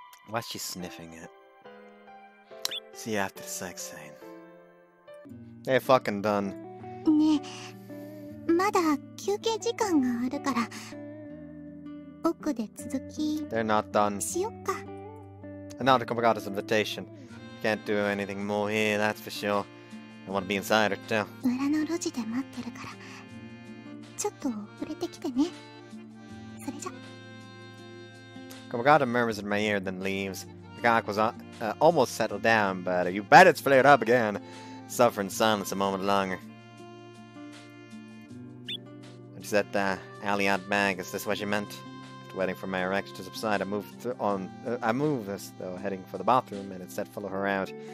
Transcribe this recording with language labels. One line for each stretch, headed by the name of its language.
English: Why is she sniffing it? See you after the sex scene. They're fucking done.
Japanese: ねえ、まだ休憩時間があるから、奥で続き。
English: They're not done.
Japanese: しよっか。
English: Another Kamigata's invitation. Can't do anything more here, that's for sure. I want to be inside her too.
Japanese: 裏の路地で待ってるから、ちょっと触れてきてね。それじゃ。
English: Kamigata murmurs in my ear, then leaves. The cock was almost settled down, but you bet it's flared up again. Suffering silence a moment longer. And she said, alley out bag, is this what she meant? After waiting for my erection to subside, I moved as though heading for the bathroom, and instead follow her out.